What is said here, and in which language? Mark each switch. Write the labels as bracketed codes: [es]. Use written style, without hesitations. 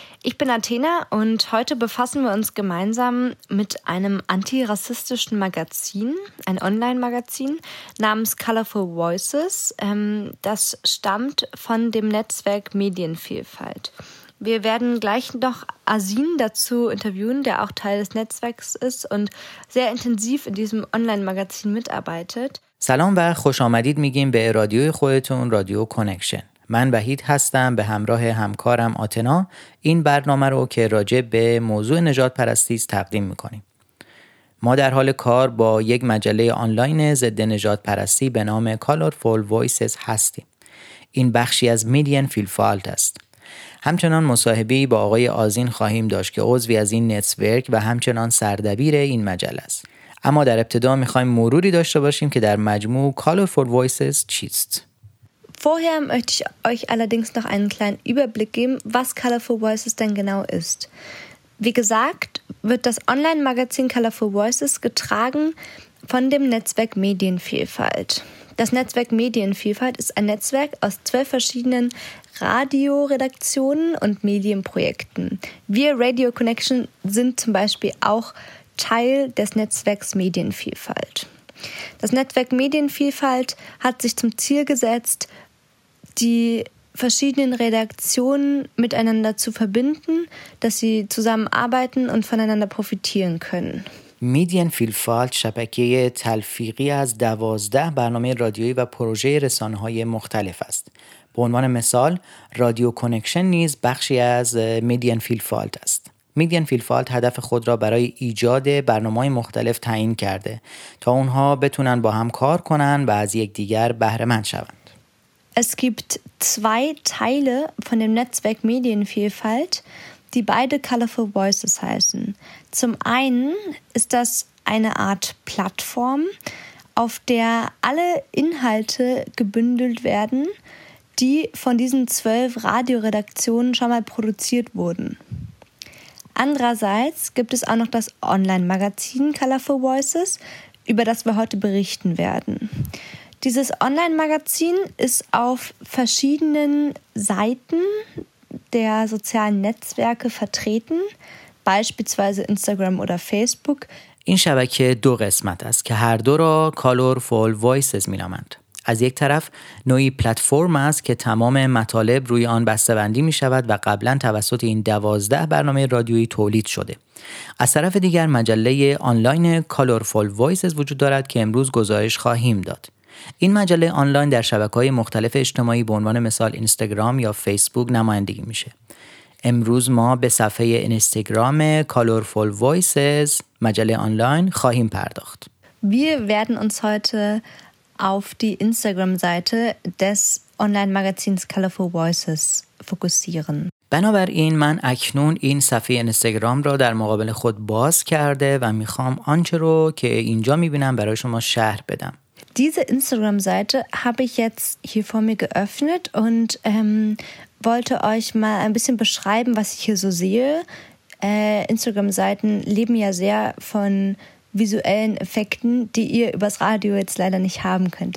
[de] Ich bin Athena und heute befassen wir uns gemeinsam mit einem antirassistischen Magazin, ein Online-Magazin namens Colorful Voices. Das stammt von dem Netzwerk Medienvielfalt. Wir werden gleich noch Asin dazu interviewen, der auch Teil des Netzwerks ist und sehr intensiv in diesem Online-Magazin mitarbeitet. [fa] سلام و خوش آمدید میگیم به رادیوی خودتون رادیو کانکشن. من وحید هستم به همراه همکارم آتنا این برنامه رو که راجع به موضوع نژاد پرستی تقدیم میکنیم. ما در حال کار با یک مجله آنلاین ضد نژاد پرستی به نام Colorful Voices هستیم. این بخشی از میدین فیلفالت است. همچنان مصاحبه‌ای با آقای آذین خواهیم داشت که عضوی از این نتورک و همچنان سردبیر این مجله است. اما در ابتدا میخوایم مروری داشته باشیم که در مجموع Colorful Voices چیست. [de] Vorher möchte ich euch allerdings noch einen kleinen Überblick geben, was Colorful Voices denn genau ist. Wie gesagt, wird das Online-Magazin Colorful Voices getragen von dem Netzwerk Medienvielfalt. Das Netzwerk Medienvielfalt ist ein Netzwerk aus 12 verschiedenen Radioredaktionen und Medienprojekten. Wir Radio Connection sind zum Beispiel auch Teil des Netzwerks Medienvielfalt. Das Netzwerk Medienvielfalt hat sich zum Ziel gesetzt, die verschiedenen Redaktionen miteinander zu verbinden, dass sie zusammenarbeiten und voneinander profitieren können. [fa] Medienvielfalt شبکه تلفیقی از 12 برنامه رادیویی و پروژه رسانه‌های مختلف است. به عنوان مثال، رادیو کانکشن نیز بخشی از Medienvielfalt است. Medienvielfalt هدف خود را برای ایجاد برنامه‌های مختلف تعیین کرده تا اونها بتونن با هم کار کنن و از یکدیگر بهره مند شوند. [de] Es gibt zwei Teile von dem Netzwerk Medienvielfalt, die beide Colorful Voices heißen. Zum einen ist das eine Art Plattform, auf der alle Inhalte gebündelt werden, die von diesen 12 Radioredaktionen schon mal produziert wurden. Andererseits gibt es auch noch das Online-Magazin Colorful Voices, über das wir heute berichten werden. Dieses Online-Magazin ist auf verschiedenen Seiten der sozialen Netzwerke vertreten, beispielsweise Instagram oder Facebook. [fa] این شبکه دو قسمت است که هر دو را Colorful Voices می نامند. از یک طرف نوعی پلتفرم است که تمام مطالب روی آن بسته‌بندی می شود و قبلا توسط این 12 برنامه رادیویی تولید شده. از طرف دیگر مجله آنلاین Colorful Voices وجود دارد که امروز گزارش خواهیم داد. این مجله آنلاین در شبکه‌های مختلف اجتماعی به عنوان مثال اینستاگرام یا فیسبوک نمایندگی میشه. امروز ما به صفحه اینستاگرام Colorful Voices مجله آنلاین خواهیم پرداخت. [de] Wir werden uns heute auf die Instagram-Seite des Online-Magazins Colorful Voices fokussieren. [fa] بنابراین من اکنون این صفحه اینستاگرام را در مقابل خود باز کرده و میخوام آنچه رو که اینجا میبینم برای شما شرح بدم. [de] Diese Instagram-Seite habe ich jetzt hier vor mir geöffnet und wollte euch mal ein bisschen beschreiben, was ich hier so sehe. Instagram-Seiten leben ja sehr von visuellen Effekten, die ihr übers Radio jetzt leider nicht haben könnt.